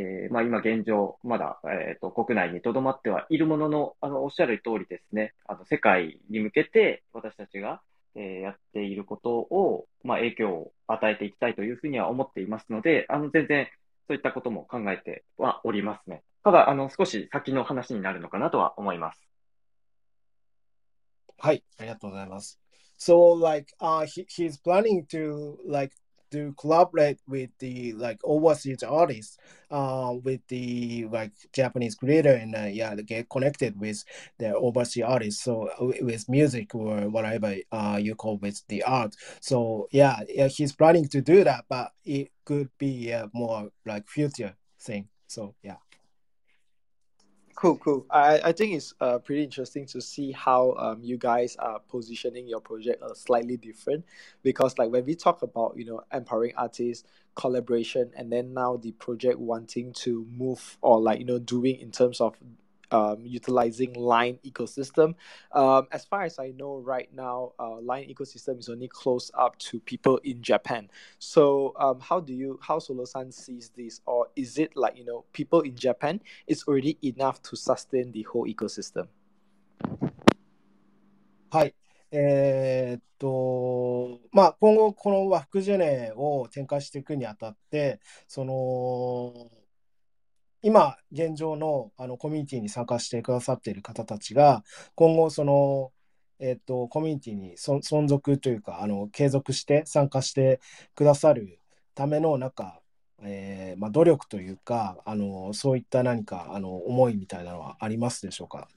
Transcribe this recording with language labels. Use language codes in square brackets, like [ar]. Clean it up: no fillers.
[ja] まあ、今現状まだ、国内に留まってはいるものの、あのおっしゃる通りですね、あの世界に向けて私たちがやっていることを、まあ、影響を与えていきたいというふうには思っていますので、あの全然そういったことも考えてはおりますね。ただあの少し先の話になるのかなとは思います。はい、ありがとうございます。 [en] So like he's planning to like to collaborate with the like overseas artists with the like Japanese creator and yeah, to get connected with the overseas artists, so with music or whatever you call with the art. So yeah, he's planning to do that, but it could be a more like future thing. So yeah. Cool, cool. I think it's pretty interesting to see how you guys are positioning your project slightly different, because like when we talk about, you know, empowering artists, collaboration, and then now the project wanting to move or like, you know, doing in terms of utilizing LINE ecosystem. As far as I know right now, LINE ecosystem is only close up to people in Japan. So how Solo-san sees this? Or is it like, you know, people in Japan is already enough to sustain the whole ecosystem? Hi. [ja] まあ、今後このワフクジェネを展開していくにあたって、その今現状 あのコミュニティに参加してくださっている方たちが今後その、コミュニティに存続というか、あの継続して参加してくださるためのなんか、まあ、努力というか、あのそういった何かあの思いみたいなのはありますでしょうか。